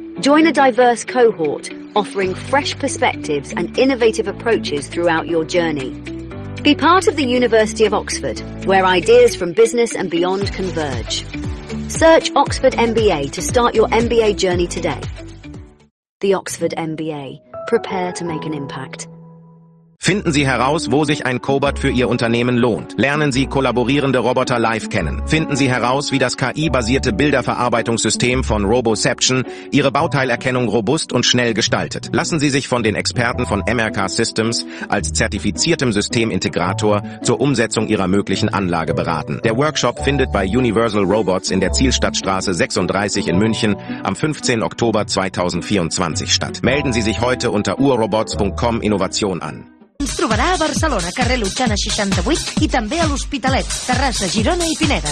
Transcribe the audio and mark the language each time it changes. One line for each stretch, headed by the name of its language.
English: Join a diverse cohort offering fresh perspectives and innovative approaches throughout your journey. Be part of the University of Oxford, where ideas from business and beyond converge. Search Oxford MBA to start your MBA journey today. The Oxford MBA. Prepare to make an impact.
German: Finden Sie heraus, wo sich ein Cobot für Ihr Unternehmen lohnt. Lernen Sie kollaborierende Roboter live kennen. Finden Sie heraus, wie das KI-basierte Bilderverarbeitungssystem von Roboception Ihre Bauteilerkennung robust und schnell gestaltet. Lassen Sie sich von den Experten von MRK Systems als zertifiziertem Systemintegrator zur Umsetzung Ihrer möglichen Anlage beraten. Der Workshop findet bei Universal Robots in der Zielstadtstraße 36 in München am 15. Oktober 2024 statt. Melden Sie sich heute unter urrobots.com Innovation an.
Catalan: Ens trobarà a Barcelona, carrer Lutxana 68 i també a l'Hospitalet, Terrassa, Girona i Pineda.